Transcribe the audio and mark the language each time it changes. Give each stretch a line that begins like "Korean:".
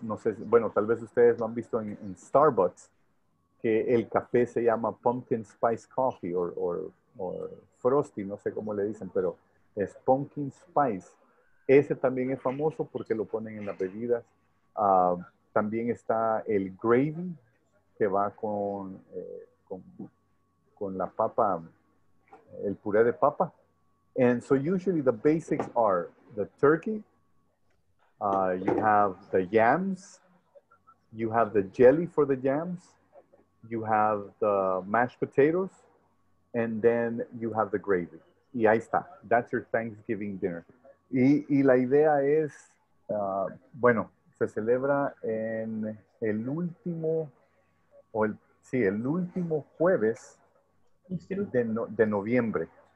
Spanish: No sé, bueno, tal vez ustedes lo han visto en Starbucks, que el café se llama
English: pumpkin spice coffee or frosty,
Spanish: no sé cómo le dicen, pero es pumpkin spice. Ese también es famoso porque lo ponen en las bebidas. También está el gravy, que va con la papa, el puré de papa.
English: And so usually the basics are the turkey, you have the yams, you have the jelly for the yams, you have the mashed potatoes, and then you have the gravy.
Spanish: Y ahí está.
English: That's your Thanksgiving dinner.
Spanish: Y la idea es, Bueno, se celebra en el último, o el, sí, el último jueves de noviembre.